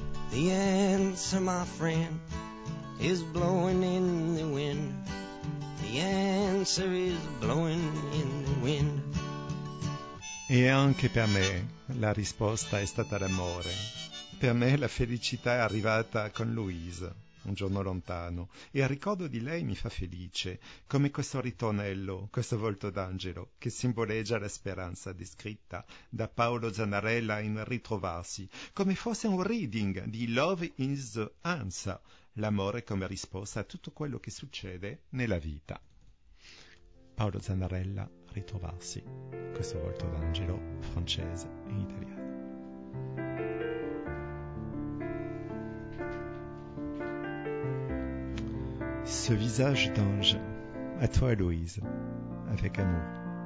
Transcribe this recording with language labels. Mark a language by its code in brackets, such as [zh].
[en] The answer, my friend, is blowing in the wind. The answer is blowing in the wind. [it] E anche per me la risposta è stata l'amore. Per me la felicità è arrivata con Louise, un giorno lontano, e il ricordo di lei mi fa felice, come questo ritornello, questo volto d'angelo, che simboleggia la speranza descritta da Paolo Zanarella in Ritrovarsi, come fosse un reading di Love is the Answer, l'amore come risposta a tutto quello che succede nella vita. Paolo Zanarella, Ritrovarsi, questo volto d'angelo, francese e italiano. [fr] Ce visage d'ange, à toi Louise, avec amour.